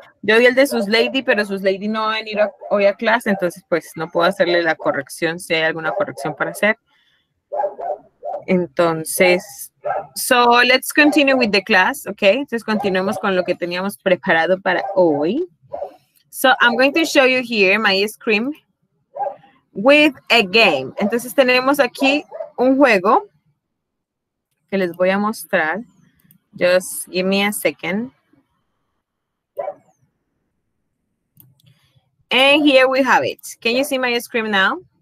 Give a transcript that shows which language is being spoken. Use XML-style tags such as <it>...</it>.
<es>Yo vi el de Sus Lady, pero Sus Lady no va a venir hoy a clase, entonces pues no puedo hacerle la corrección, si hay alguna corrección para hacer.</es> <en>Entonces, so let's continue with the class, ok?</en> <es>Entonces continuemos con lo que teníamos preparado para hoy.</es> <en>So I'm going to show you here my screen with a game.</en> <es>Entonces tenemos aquí un juego que les voy a mostrar.</es> <en>Just give me a second. And here we have it. Can you see my screen now?</en>